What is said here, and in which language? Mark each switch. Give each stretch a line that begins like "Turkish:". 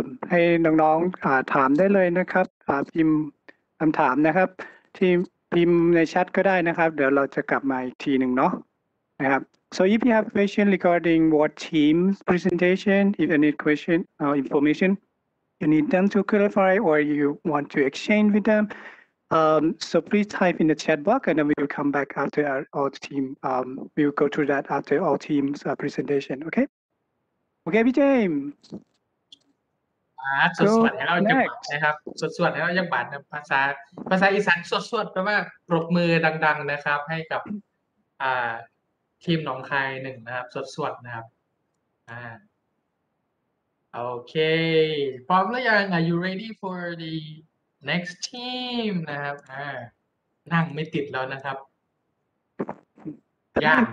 Thai: ให้น้องๆถามได้เลยนะครับพิมพ์คำถามนะครับที่พิมพ์ในแชทก็ได้นะครับเดี๋ยวเราจะกลับมาอีกทีหนึ่งเนาะ
English: So if you have question regarding what team's presentation, if any question or information you need them to clarify or you want to exchange with them, so please type in the chat box and then we will come back after our team. We will go through that after all team's presentation. Okay? Okay, BJ.
Thai: สดส่วนแล้วยังบาดนะครับสดส่วนแล้วยังบาดภาษาอีสานสดส่วนแปลว่าปรบมือดังๆนะครับให้กับทีมหนองคาย1นะครับสดๆนะครับโอเคพร้อมแล้วยัง
English: Are you ready for the next team
Thai: นะครับนั่งไม่ติดแล้วนะครับยาก